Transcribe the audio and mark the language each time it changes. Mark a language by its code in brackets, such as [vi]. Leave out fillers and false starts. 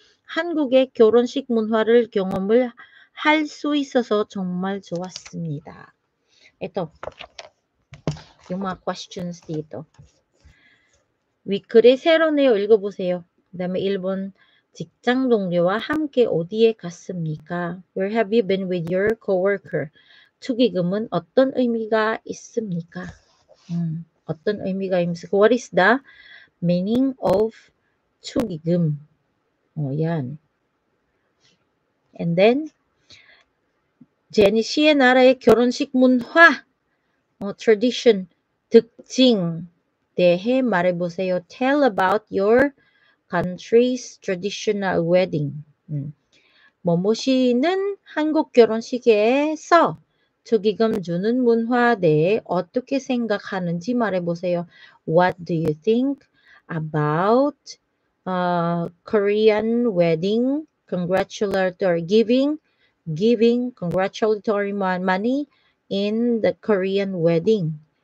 [ko] 한국의 결혼식 문화를 경험을 할 수 있어서 정말 좋았습니다. 에토. 이 mga questions 디토. 위클의 새로운 내용 읽어보세요. 그 다음에 1번 직장 동료와 함께 어디에 갔습니까? [en] Where have you been with your co-worker? [ko] 축의금은 어떤 의미가 있습니까? 어떤 의미가 있습니까? [en] What is the meaning of 축의금? [ko] 오얀. [en] And then, [ko] 제니 씨의 나라의 결혼식 문화, tradition, 특징 대해 말해보세요. [en] Tell about your country's traditional wedding. [ko] 모모씨는 한국 결혼식에서 축의금 주는 문화에 대해 어떻게 생각하는지 말해보세요. [en] What do you think about Korean wedding, congratulatory giving congratulatory money in the Korean wedding.